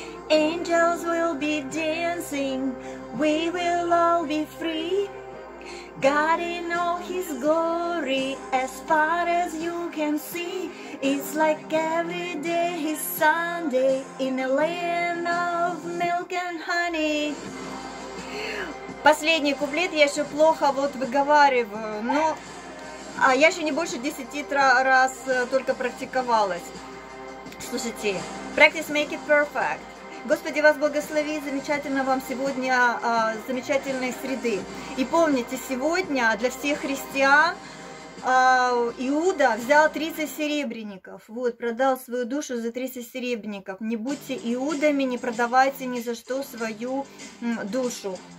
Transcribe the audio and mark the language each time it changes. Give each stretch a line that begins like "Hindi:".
English: Angels will be dancing, we will all be free. God in all his glory, as far as you can see. It's like every day is Sunday, in a land of milk and honey.
Russian: Последний куплет я еще плохо вот выговариваю, но... А я еще не больше 10 раз только практиковалась. Слушайте,
English: practice make it perfect.
Russian: Господи, вас благослови, замечательно вам сегодня, замечательной среды. И помните, сегодня для всех христиан Иуда взял 30 серебряников. Вот, продал свою душу за 30 серебряников. Не будьте Иудами, не продавайте ни за что свою душу.